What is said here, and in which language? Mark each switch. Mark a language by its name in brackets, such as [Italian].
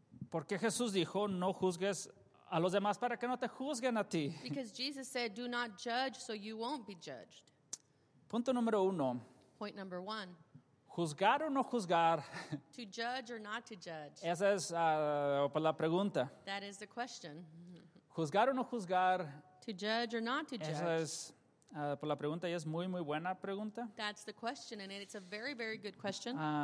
[Spanish] Porque Jesús dijo, no juzgues a los demás para que no te juzguen a ti. [English] Because Jesus said, do not judge so you won't be judged. [Spanish] Punto número uno. [English] Point number one. [Spanish] Juzgar o no juzgar. [English] To judge or not to judge. [Spanish] Esa es por la pregunta. [English] That is the question. [Spanish] Juzgar o no juzgar. [English] To judge or not to judge. [Spanish] Esa es por la pregunta y es muy, muy buena pregunta. [English] That's the question and it's a very, very good question.